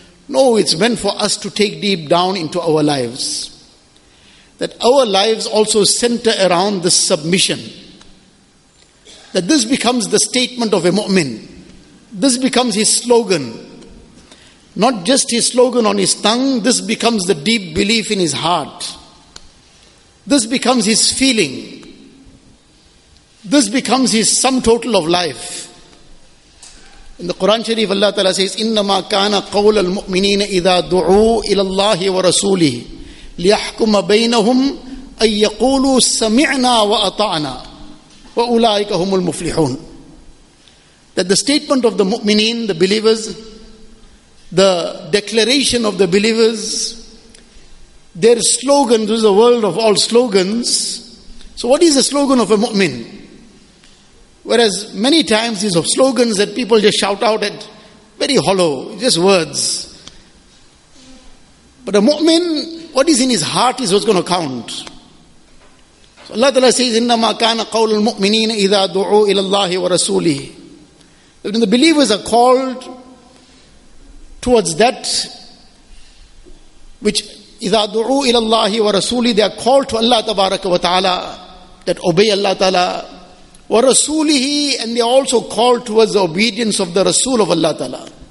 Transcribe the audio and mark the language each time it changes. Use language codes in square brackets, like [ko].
[en] No, it's meant for us to take deep down into our lives, that our lives also center around this submission, that this becomes the statement of a mu'min. This becomes his slogan. Not just his slogan on his tongue, this becomes the deep belief in his heart. This becomes his feeling. This becomes his sum total of life. In the Quran Sharif, Allah Ta'ala says, [ar] إِنَّمَا كَانَ قَوْلَ الْمُؤْمِنِينَ إِذَا دُعُوا إِلَى اللَّهِ وَرَسُولِهِ لِيَحْكُمَ بَيْنَهُمْ أَن يَقُولُوا سَمِعْنَا وَأَطَعْنَا وَأُولَٰئِكَ هُمُ الْمُفْلِحُونَ. [en] That the statement of the mu'mineen, the believers, the declaration of the believers, their slogan, this is the world of all slogans. So what is the slogan of a mu'min? Whereas many times these are slogans that people just shout out at, very hollow, just words. But a mu'min, what is in his heart is what's going to count. So Allah Ta'ala says, [ar] إِنَّمَا كَانَ قَوْلُ الْمُؤْمِنِينَ إِذَا دُعُوا إِلَى اللَّهِ وَرَسُولِهِ. [en] When the believers are called towards that which [ar] إِذَا دُعُوا إِلَى اللَّهِ وَرَسُولِهِ, [en] they are called to Allah Tabaraka wa Ta'ala, that obey Allah Ta'ala, وَرَسُولِهِ, and they are also called towards the obedience of the Rasul of Allah Ta'ala.